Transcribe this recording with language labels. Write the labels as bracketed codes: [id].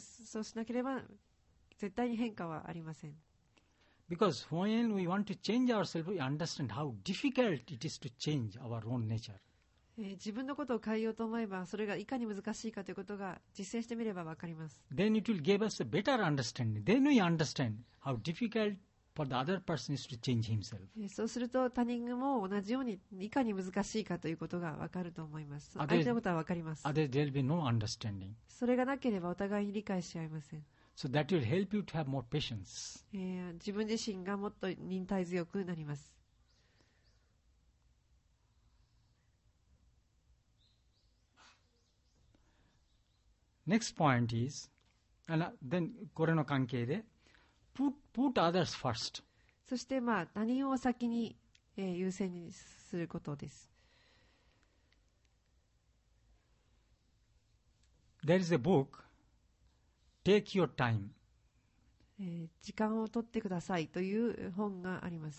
[ja] そうしなければ絶対に変化はありません。 [en] Because when we want to change ourselves, we understand how difficult it is to change our own nature. [ja] 自分のことを変えようと思えば、それがいかに難しいかということが実践してみればわかります。 [en] Then it will give us a better understanding. Then we understand how difficult. For the other person is to change himself. [ja] そうすると他人も同じようにいかに難しいかということが分かると思います相手のことは分かります [en] Otherwise, there will be no understanding. [ja] それがなければお互いに理解し合いません [en] So that will help you to have more patience. [ja] 自分自身がもっと忍耐強くなります [en] Next point is and then [ja] これの関係で [en] Put others first. [ja] そして、まあ、何を先に、優先にすることです。 [en] There is a book, Take Your Time. [ja] 時間を取ってくださいという本があります。